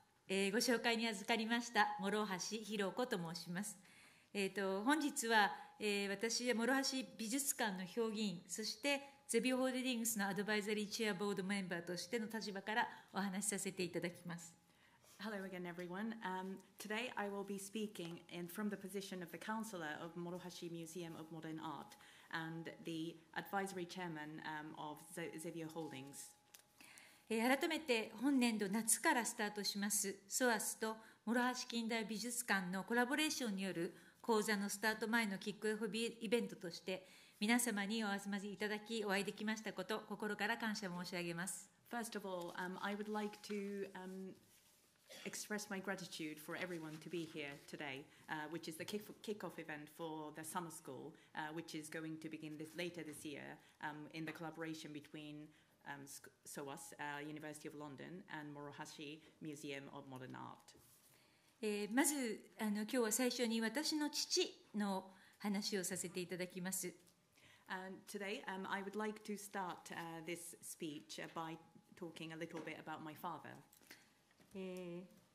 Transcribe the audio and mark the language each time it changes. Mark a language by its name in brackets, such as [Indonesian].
[Japanese] ご紹介に預かりました、諸橋ひろこと申します。本日は、私は諸橋美術館の評議員、そしてゼビオホールディングスのアドバイザリーチェアボードメンバーとしての立場からお話しさせていただきます。 [English] Hello again, everyone. Today I will be speaking in from the position of the counselor of Morohashi Museum of Modern Art and the advisory chairman of Zevio Holdings. [Japanese] 改めて本年度夏からスタートします SOAS と Morohashi 近代美術館のコラボレーションによる講座のスタート前のキックオフイベントとして皆様にお集まりいただきお会いできましたこと心から感謝申し上げます。 [English] First of all, I would like to express my gratitude for everyone to be here today, which is the kickoff event for the summer school, which is going to begin this, later this year in the collaboration between SOAS, University of London, and Morohashi Museum of Modern Art. [Japanese] まず、今日は最初に私の父の話をさせていただきます。 [English] Today, I would like to start this speech by talking a little bit about my father.